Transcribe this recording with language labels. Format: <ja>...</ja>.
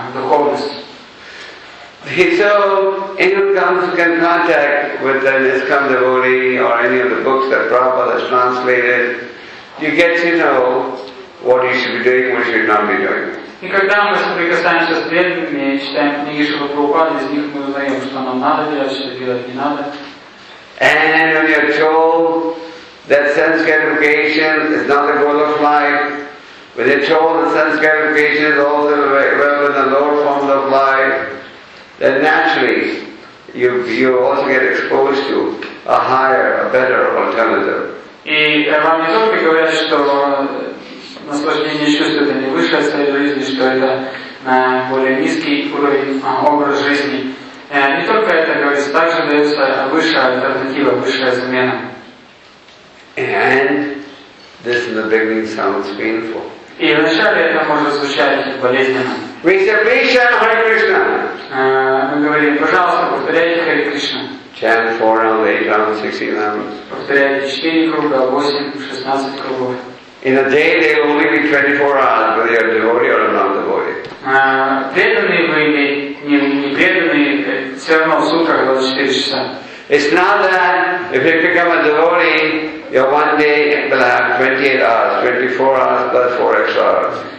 <en>So, anyone comes in contact with an ISKCON devotee or any of the books that Prabhupada has translated, you get to know what you should be doing, what you should not be doing.</en> <ru>И когда мы соприкасаемся с преданными, читаем книги Шрила Прабхупады, из них мы узнаем, что нам надо делать, что делать не надо.</ru> <en>And when you're told that sense gratification is not the goal of life, when you're told that sense gratification is all the relevant and lower forms of life, then naturally you also get exposed to a higher, a better alternative.</en> <ru>И вам не только говорят, что наслаждение чувств это не высшая цель жизни, что это более низкий уровень образ жизни. Не только это говорится, также дается высшая альтернатива, высшая замена.</ru> <en>And this in the beginning sounds painful.</en> <ru>И вначале это может звучать болезненно.</ru> <en>Reservation, Hare Krishna.</en> <ru>Мы говорим, пожалуйста, повторяйте Hare Krishna.</ru> <en>Chant 4 rounds, 8 rounds, 16 rounds.</en> <ru>Повторяйте 4 круга, 8, 16 кругов.</ru> <en>In a day, there will only be 24 hours, whether you are a devotee or a non-devotee. It's not that if you become a devotee, your one day will have 28 hours, 24 hours plus 4 extra hours.</en>